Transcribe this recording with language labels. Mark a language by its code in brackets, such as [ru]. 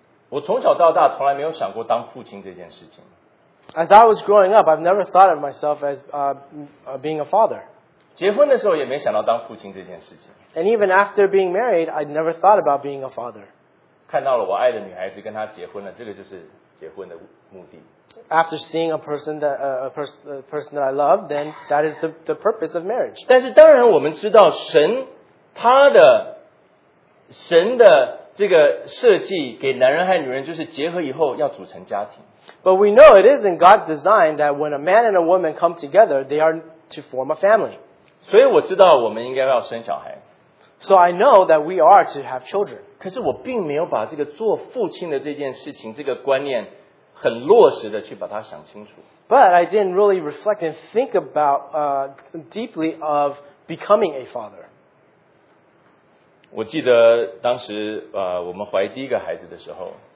[zh] 我从小到大从来没有想过当父亲这件事情。 [en] As I was growing up, I've never thought of myself as being a father. [zh] 结婚的时候也没想到当父亲这件事情。 [en] And even after being married, I never thought about being a father. [zh] 看到了我爱的女孩子跟她结婚了，这个就是结婚的目的。 [en] After seeing a person that I love, then that is the purpose of marriage. [zh] 但是当然我们知道神他的神的这个设计给男人和女人就是结合以后要组成家庭。 [en] But we know it is in God's design that when a man and a woman come together, they are to form a family. [zh] 所以我知道我们应该要生小孩。 [en] So I know that we are to have children. [zh] 可是我并没有把这个做父亲的这件事情这个观念很落实的去把它想清楚。 [en] But I didn't really reflect and think about deeply of becoming a father. [zh] 我记得当时我们怀第一个孩子的时候。